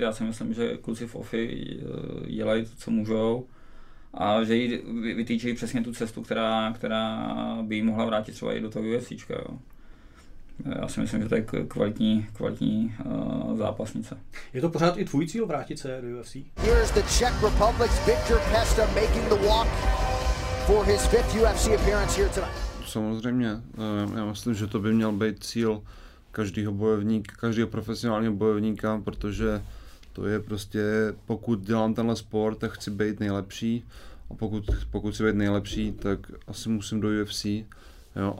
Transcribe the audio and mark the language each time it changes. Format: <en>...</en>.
<cs>Já si myslím, že kluci v OFI dělají to, co můžou, a že jí vytýčí přesně tu cestu, která by jí mohla vrátit třeba i do toho UFC. Já si myslím, že to je kvalitní zápasnice. Je to pořád i tvůj cíl vrátit se do UFC?</cs> <en>Here's the Czech Republic's Viktor Pešta making the walk for his fifth UFC appearance here tonight.</en> <cs>Samozřejmě, já myslím, že to by měl být cíl každého bojovníka, každého profesionálního bojovníka, protože to je prostě, pokud dělám tenhle sport, tak chci být nejlepší, a pokud chci být nejlepší, tak asi musím do UFC. Jo.</cs>